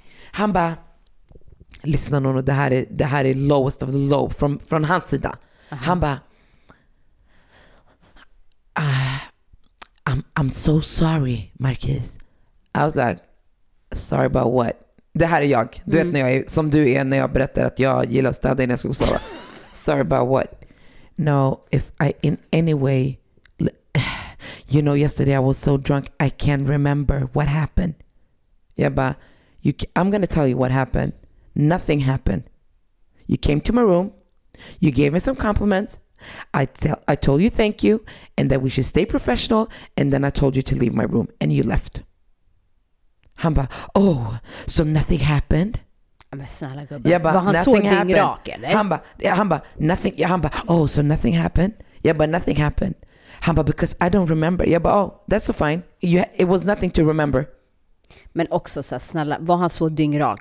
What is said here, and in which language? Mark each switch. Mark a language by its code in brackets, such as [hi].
[sv] Han bara, lyssna nu, det här är [en] lowest of the low [sv] från hans sida. [en] Aha. [sv] Han bara, [en] I'm so sorry, Marquis. I was like, sorry about what? [sv] Det här är jag. Du vet när jag är, som du är när jag berättar att jag gillar att städa innan jag ska gå och sova. [en] Sorry about what? No, if I in any way, you know, yesterday I was so drunk I can't remember what happened. [sv] Jag bara, [en] I'm gonna tell you what happened. Nothing happened. You came to my room. You gave me some compliments. I told you thank you and that we should stay professional, and then I told you to leave my room and you left. [sv] Han bara, [en] oh, so nothing happened? [sv] Men snälla gubben, jag bara, var han nothing så happened. Dingrak eller? Han bara, [en] nothing. Han bara, oh, so nothing happened? Yeah, but nothing happened. [sv] Han bara, [en] because I don't remember. Yeah, but oh, that's so fine. It was nothing to remember. [sv] Men också så snälla, var han så dyngrak?